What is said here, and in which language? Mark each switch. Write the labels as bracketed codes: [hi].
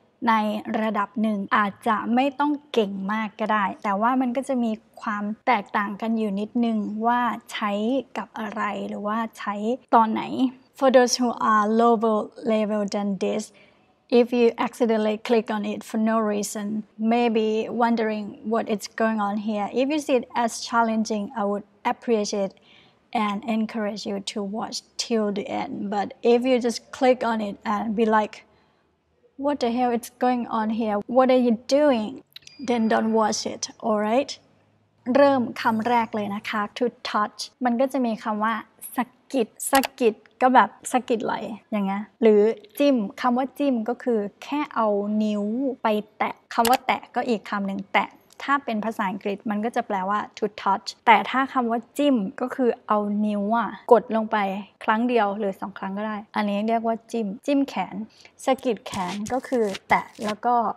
[th] ในระดับหนึ่งอาจจะไม่ต้องเก่งมากก็ได้แต่ว่ามันก็จะมีความแตกต่างกันอยู่นิดนึงว่าใช้กับอะไรหรือว่าใช้ตอนไหน [en] For those who are lower level than this, if you accidentally click on it for no reason, maybe wondering what is going on here, if you see it as challenging, I would appreciate and encourage you to watch till the end. But if you just click on it and be likeWhat the hell is going on here? What are you doing? Then don't watch it, alright? [th] เริ่มคำแรกเลยนะคะ to touch มันก็จะมีคำว่าสะกิดสะกิดก็แบบสะกิดไหลอย่างเงี้ยหรือจิ้มคำว่าจิ้มก็คือแค่เอานิ้วไปแตะคำว่าแตะก็อีกคำหนึ่งแตะถ้าเป็นภาษาอังกฤษมันก็จะแปลว่า to touch แต่ถ้าคำว่าจิ้มก็คือเอานิ้วอ่ะกดลงไปครั้งเดียวหรือ2ครั้งก็ได้อันนี้เรียกว่าจิ้มจิ้มแขนสะกิดแขนก็คือแตะแล้วก็